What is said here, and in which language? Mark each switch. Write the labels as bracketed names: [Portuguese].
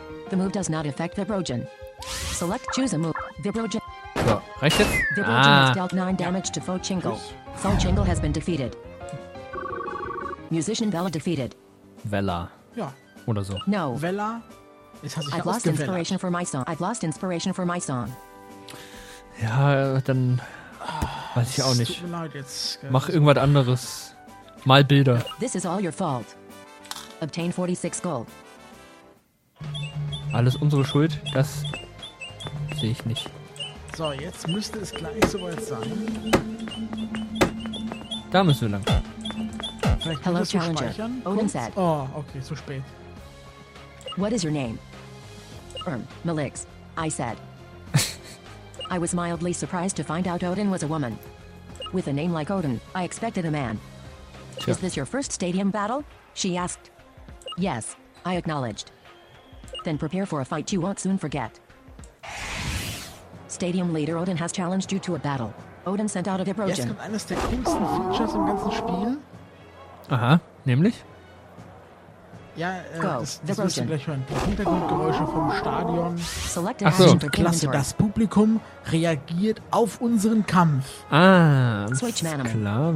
[English] The move does not affect Vibrogen. Select choose a move. Vibrogen. [German] So, reicht jetzt? [English] Vibrogen has dealt 9 damage to Faux Jingle. Faux Jingle has been defeated. Musician Vella defeated. Vella. [German] Ja. Oder so. [English] No. Vella. I've lost inspiration for my song. [German] Ja, dann weiß ich auch nicht. Tut mir leid jetzt. Mach irgendwas anderes. Mal Bilder. [English] This is all your fault. Obtain 46 gold. [German] Alles unsere Schuld, das sehe ich nicht. So, jetzt müsste es gleich soweit sein. Da müssen wir lang. Vielleicht Hello, das Challenger. [English] Odin said. [German] Oh, okay, zu spät. [English] What is your name? Malix. I said. I was mildly surprised to find out Odin was a woman. With a name like Odin, I expected a man. Tja. Is this your first stadium battle? She asked. Yes, I acknowledged. Then prepare for a fight you won't soon forget. Stadium leader Odin has challenged you to a battle. Odin sent out a Vibrogen. [German] Jetzt kommt eines der coolsten Features im ganzen Spiel. Aha, nämlich? Ja, das müsst ihr gleich hören. Die Hintergrundgeräusche vom Stadion. Select Ach so. Sind klasse, das Publikum reagiert auf unseren Kampf. Ah, klar.